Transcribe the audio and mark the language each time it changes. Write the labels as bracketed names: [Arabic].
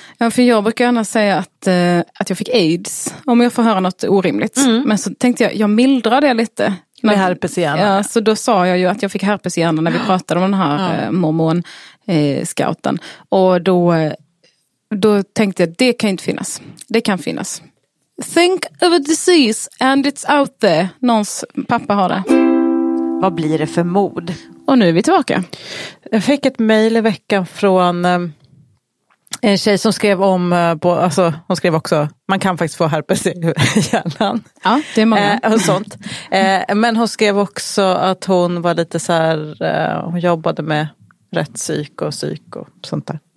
[Swedish] Ja, för jag brukar gärna säga att jag fick AIDS, om jag får höra något orimligt. Mm. Men så tänkte jag mildra det lite. Med herpes i hjärnan. Ja, så då sa jag ju att jag fick herpes i hjärnan när vi pratade om den här mormon-scouten. Och då tänkte jag, det kan inte finnas. Det kan finnas. [English] Think of a disease and it's out there. [Swedish] Någons pappa har det. Vad blir det för mod? Och nu är vi tillbaka. Jag fick ett mejl i veckan från... en tjej som skrev om, alltså hon skrev också, man kan faktiskt få herpes i hjärnan. Ja, det är många. Och sånt. Men hon skrev också att hon var lite så här, hon jobbade med rätt psyk och sånt där.